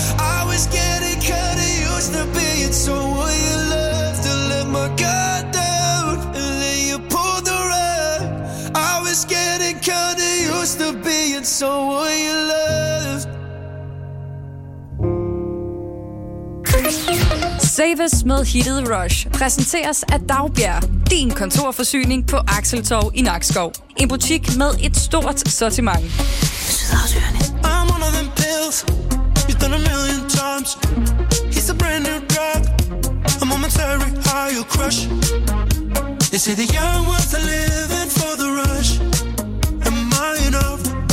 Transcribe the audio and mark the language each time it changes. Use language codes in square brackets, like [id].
[en] I was getting kinda used to being. So what you love to let my guard down, and then you pull the rug. I was getting kinda used to being so what you love. [da] Save us med hittet Rush præsenteres af Dagbjerg, din kontorforsyning på Axeltorv i Nakskov. En butik med et stort sortiment. [en] I'm one of them pills you've done a million times. He's a brand new drug, a momentary high, your crush. They say the young ones are living for the rush. Am I enough?